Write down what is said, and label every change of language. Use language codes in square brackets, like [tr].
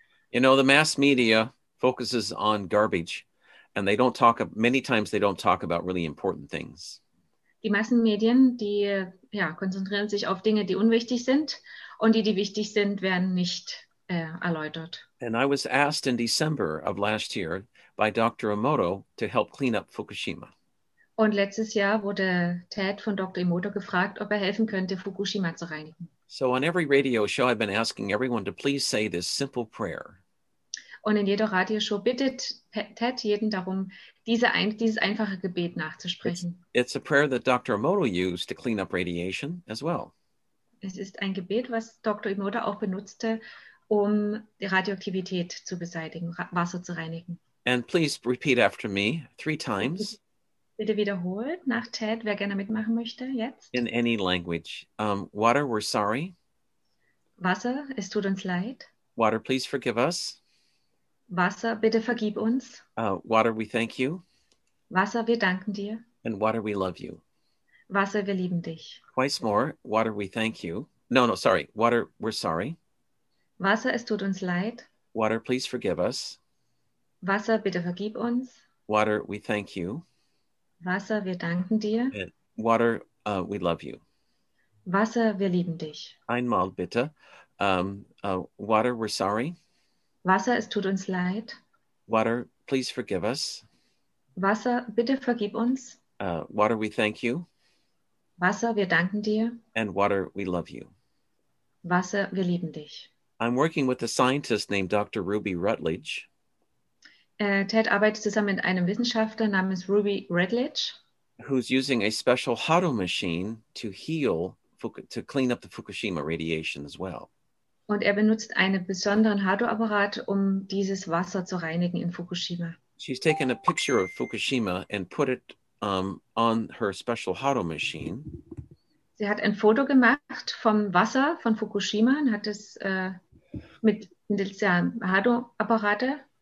[en] You know, the mass media focuses on garbage, and they don't talk about really important things. [de] Die Massenmedien, die konzentrieren sich auf Dinge, die unwichtig sind, und die wichtig sind, werden nicht erläutert. [en] And I was asked in December of last year by Dr. Emoto to help clean up Fukushima. [de] Und letztes Jahr wurde Ted von Dr. Emoto gefragt, ob helfen könnte, Fukushima zu reinigen. [en] So on every radio show, I've been asking everyone to please say this simple prayer. [de] Und in jeder Radioshow bittet Ted jeden darum, dieses einfache Gebet nachzusprechen. [en] It's a prayer that Dr. Emoto used to clean up radiation as well. [de] Es ist ein Gebet, was Dr. Emoto auch benutzte, um die Radioaktivität zu beseitigen, Wasser zu reinigen. [en] And please repeat after me 3 times. [de] Bitte wiederholt nach Ted, wer gerne mitmachen möchte, jetzt. [en] In any language. Water, we're sorry. [de] Wasser, es tut uns leid. [en] Water, please forgive us. [de] Wasser, bitte vergib uns. [en] Water, we thank you. [de] Wasser, wir danken dir. [en] And water, we love you. [de] Wasser, wir lieben dich. [en] Twice more. Water, we thank you. Water, we're sorry. [de] Wasser, es tut uns leid. [en] Water, please forgive us. [de] Wasser, bitte vergib uns. [en] Water, we thank you. [de] Wasser, wir danken dir. [en] Water, We love you. [de] Wasser, wir lieben dich. Einmal bitte. [en] Water, we're sorry. [de] Wasser, es tut uns leid. [en] Water, please forgive us. [de] Wasser, bitte vergib uns. [en] Water, we thank you. [de] Wasser, wir danken dir. [en] And water, we love you. [de] Wasser, wir lieben dich. [en] I'm working with a scientist named Dr. Ruby Rutledge. [de] Ted arbeitet zusammen mit einem Wissenschaftler namens Ruby Rutledge. [en] Who's using a special Hado machine to heal, to clean up the Fukushima radiation as well. [de] Und er benutzt einen besonderen Hado-Apparat, um dieses Wasser zu reinigen in Fukushima. [en] She's taken a picture of Fukushima and put it on her special Hado machine. [de] Sie hat ein Foto gemacht vom Wasser von Fukushima und hat es mit dem Hado-Apparat.